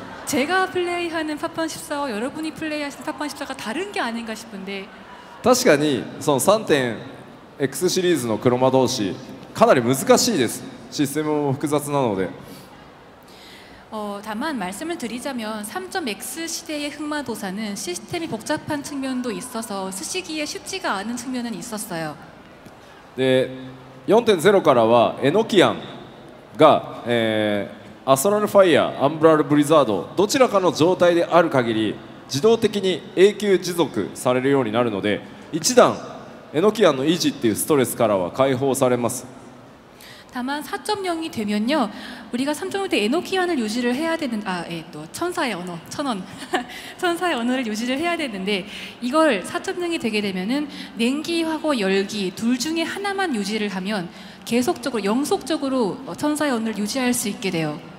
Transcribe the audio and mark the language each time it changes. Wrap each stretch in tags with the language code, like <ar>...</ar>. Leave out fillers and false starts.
<ko>제가 플레이하는 팝판 14와 여러분이 플레이하시는 팝판 14가 다른 게 아닌가 싶은데.</ko> <ja>確かに その3.x シリーズの黒魔導士かなり難しいです。システムも複雑なので。</ja> <ko>다만 말씀을 드리자면 3.x 시대의 흑마도사는 시스템이 복잡한 측면도 있어서 쓰시기에 쉽지가 않은 측면은 있었어요.</ko> <ja>で、 4.0 からはエノキアンがアストラルファイヤーアンブラルブリザードどちらかの状態である限り自動的に永久持続されるようになるので一段エノキアンの維持っていうストレスからは解放されます。</ja> <ko>다만 4.0이 되면요 우리가 3.0 때 에노키안을 유지를 해야 되는 천사의 언어 천원 천사의 언어를 유지를 해야 되는데 이걸 4.0이 되게 되면은 냉기하고 열기 둘 중에 하나만 유지를 하면 계속적으로 영속적으로 천사의 언어를 유지할 수 있게 돼요.</ko>